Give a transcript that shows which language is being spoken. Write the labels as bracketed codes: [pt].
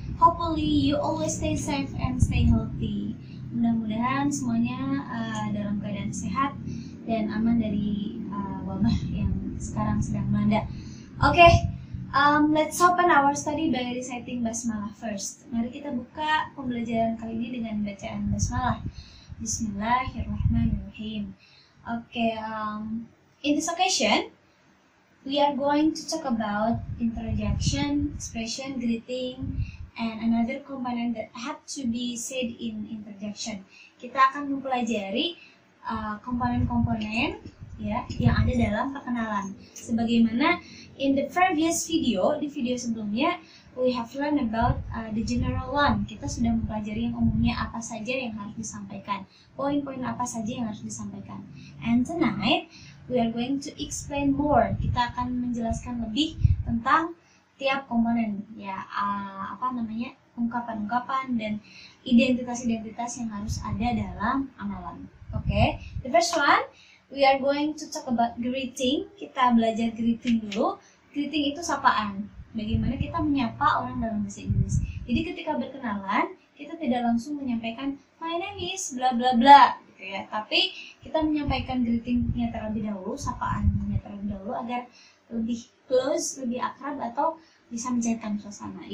[en] Hopefully you always stay safe and stay healthy. [id] Mudah-mudahan semuanya dalam keadaan sehat dan aman dari wabah yang sekarang sedang melanda. [en] Okay, let's open our study by reciting basmalah first. [id] Mari kita buka pembelajaran kali ini dengan bacaan basmalah. [ar] Bismillahirrahmanirrahim. [en] Okay, in this occasion, we are going to talk about introduction, expression, greeting, and another component that have to be said in introduction. [id] Kita akan mempelajari komponen-komponen ya yang ada dalam perkenalan. Sebagaimana [en] in the previous video, [id] di video sebelumnya, [en] we have learned about the general one. [id] Kita sudah mempelajari yang umumnya apa saja yang harus disampaikan. Poin-poin apa saja yang harus disampaikan. [en] And tonight, we are going to explain more. [id] Kita akan menjelaskan lebih tentang tiap komponen, ya, ungkapan-ungkapan dan identitas-identitas yang harus ada dalam amalan. [en] Okay, the first one, we are going to talk about greeting. [id] Kita belajar greeting dulu. Greeting itu sapaan, bagaimana kita menyapa orang dalam bahasa Inggris. Jadi ketika berkenalan, kita tidak langsung menyampaikan [en] my name is bla bla bla, [id] gitu ya. Tapi kita menyampaikan greetingnya terlebih dahulu, sapaannya terlebih dahulu agar lebih close, lebih akrab atau bisa mencairkan suasana.